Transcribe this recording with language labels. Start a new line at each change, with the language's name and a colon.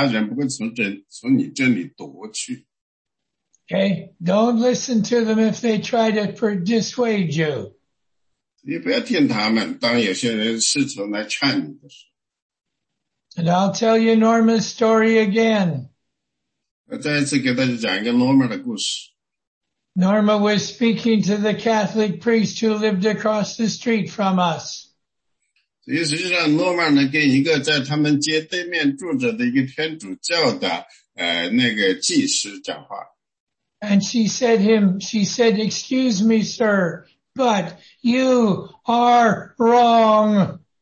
Chinese: 你确保神，其他人不会从你这里夺去。
English: Okay, don't listen to them if they try to dissuade you.
Chinese: 你不要听他们，当有些人试图来劝你的时候。
English: And I'll tell you Norma's story again.
Chinese: 我再一次给大家讲一个Norma的故事。
English: Norma was speaking to the Catholic priest who lived across the street from us.
Chinese: 实际上，诺曼呢跟一个在他们街对面住着的一个天主教的那个技师讲话。
English: And she said, excuse me, sir, but you are wrong.